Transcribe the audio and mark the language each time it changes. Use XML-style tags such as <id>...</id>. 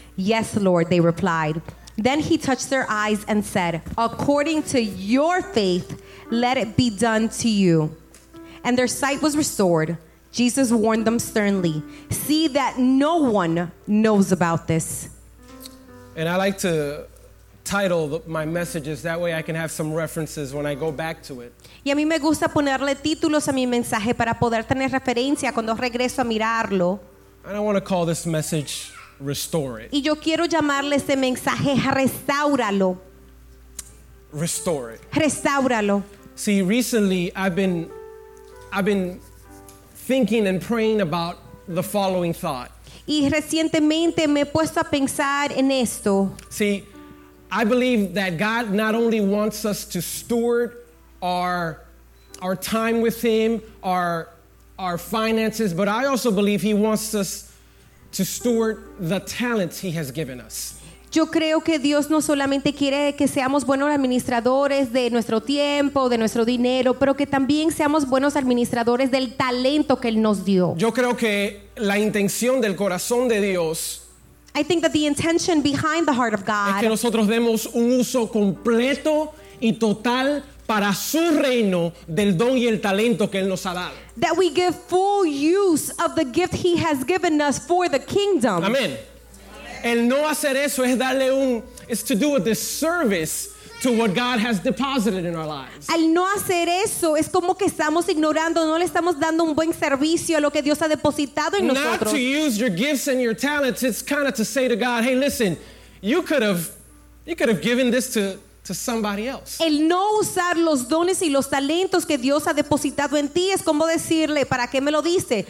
<en>Yes, Lord, they replied. Then he touched their eyes and said, according to your faith, let it be done to you. And their sight was restored. Jesus warned them sternly, see that no one knows about this. And I like to title my messages, that way I can have some references when I go back to it.</en> <es>Y a mí me gusta ponerle títulos a mi mensaje para poder tener referencia cuando regreso a mirarlo.</es> <en>I don't want to call this message restore it.</en> <es>Y yo quiero llamarle este mensaje restáuralo.</es> <en>Restore it.</en> <es>Restáuralo.</es> <en>See, recently I've been thinking and praying about the following thought.</en> <es>Y recientemente me he puesto a pensar en esto.</es> <en>See, I believe that God not only wants us to steward our time with Him, our finances, but I also believe He wants us to steward the talents He has given us.</en> <es>Yo creo que Dios no solamente quiere que seamos buenos administradores de nuestro tiempo, de nuestro dinero, pero que también seamos buenos administradores del talento que Él nos dio. Yo creo que la intención del corazón de Dios,</es> <en>I think that the intention behind the heart of God,</en> <es>es que nosotros demos un uso completo y total para su reino del don y el talento que Él nos ha dado.</es> <en>That we give full use of the gift He has given us for the kingdom.</en> <es>Amén. El no hacer eso es darle un,</es> <en>it's to do a disservice to what God has deposited in our lives.</en> <es>Al no hacer eso es como que estamos ignorando, no le estamos dando un buen servicio a lo que Dios ha depositado en nosotros.</es> <en>Not to use your gifts and your talents, it's kind of to say to God, hey, listen, you could have given this to somebody else.</en> <es>El no usar los dones y los talentos que Dios ha depositado en ti es como decirle, ¿para qué me lo diste?</es>